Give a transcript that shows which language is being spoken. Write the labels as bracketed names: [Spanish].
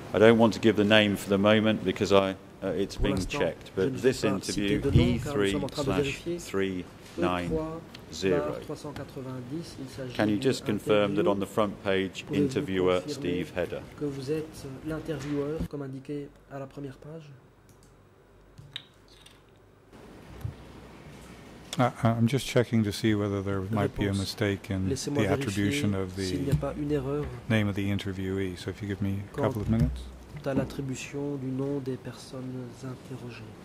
[English] I don't want to give the name for the moment because it's being checked, but this interview, E3/390. Can you just confirm that on the front page, interviewer Steve Hedder? [French] Que vous êtes l'intervieweur, comme indiqué à la première page? [English] I'm just checking to see whether there might be a mistake in the attribution of the [French] s'il n'y a pas une erreur [English] name of the interviewee. So if you give me a couple of minutes. [French] Quant à l'attribution du nom des personnes interrogées.